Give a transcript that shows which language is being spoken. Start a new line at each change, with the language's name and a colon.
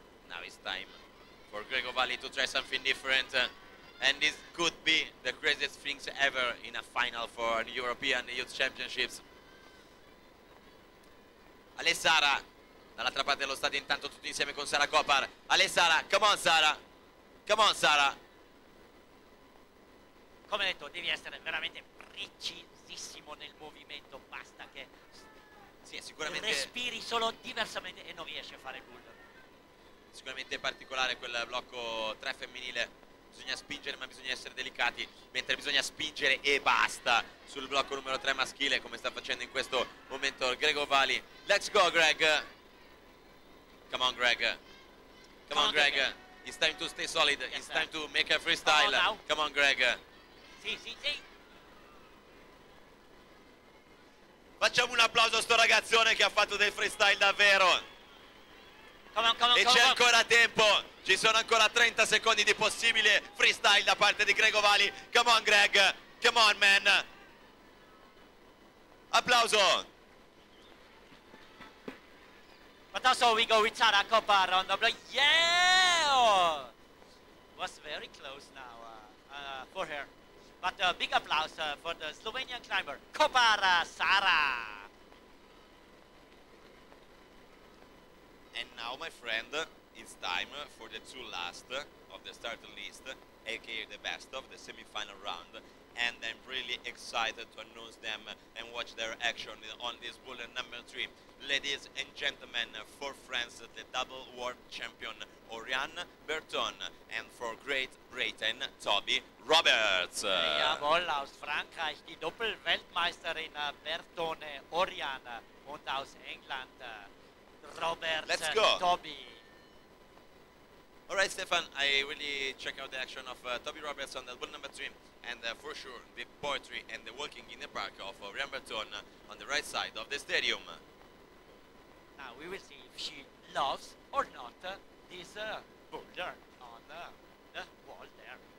English: Now it's time for Gregor Vali to try something different, and this could be the craziest things ever in a final for the European Youth Championships.
Italian: Alessara, dall'altra parte dello stadio intanto tutti insieme con Sara Kopar.
English: Alessara, come on Sara, come on Sara.
Italian: Come detto, devi essere veramente precisissimo nel movimento, basta che sì, sicuramente respiri solo diversamente e non riesci a fare nulla. Sicuramente è particolare quel blocco 3 femminile, bisogna spingere ma bisogna essere delicati, mentre bisogna spingere e basta sul blocco numero 3 maschile, come sta facendo in questo momento Gregor Vali.
English: Let's go Greg, come on Greg, come on Greg, it's time to stay solid, yes, it's time to make a freestyle, come on Greg.
Italian: Sì, sì, sì. Facciamo un applauso a sto ragazzone che ha fatto del freestyle davvero.
English: Come on, come on, e come
Italian: c'è
English: on.
Italian: Ancora tempo, ci sono ancora 30 secondi di possibile freestyle da parte di Gregor Vali.
English: Come on Greg, come on man.
Italian: Applauso.
English: But also we go with Sara Kopar on the block. Yeah! Was very close now for her. But a big applause for the Slovenian climber, Kopar Sara. And now, my friend, it's time for the two last of the start list, aka the best of the semi-final round. And I'm really excited to announce them and watch their action on this bullet number three. Ladies and gentlemen, for France, the double world champion, Orian Berton, and for Great Britain, Toby Roberts.
German: Jawohl, aus Frankreich, die Doppelweltmeisterin Berton Orian und aus England, Roberts.
English: Let's go. Toby. Alright, Stefan, I really check out the action of Toby Roberts on the bullet number three. And for sure, the poetry and the walking in the park of Orian Berton on the right side of the stadium. Now we will see if she loves or not this boulder on the wall there.